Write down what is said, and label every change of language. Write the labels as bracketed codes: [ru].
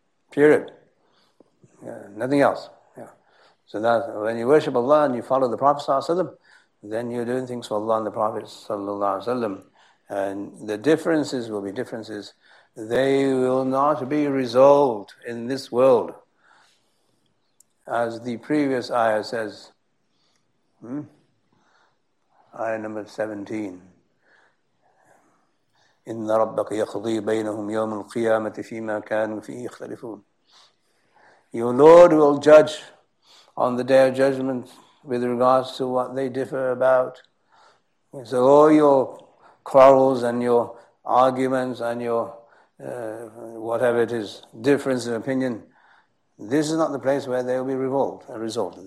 [en] Period. Nothing else. So that when you worship Allah and you follow the Prophet ﷺ, then you're doing things for Allah and the Prophet ﷺ. And the differences will be differences. They will not be resolved in this world. As the previous ayah says, ayah number 17, [ar] إِنَّ رَبَّكَ يَخْضِي بَيْنَهُمْ يَوْمُ الْقِيَامَةِ فِي مَا كَانُوا فِيهِ يَخْتَلِفُونَ. [en] Your Lord will judge on the Day of Judgment with regards to what they differ about. So all your quarrels and your arguments and your whatever it is, difference of opinion, this is not the place where they will be resolved.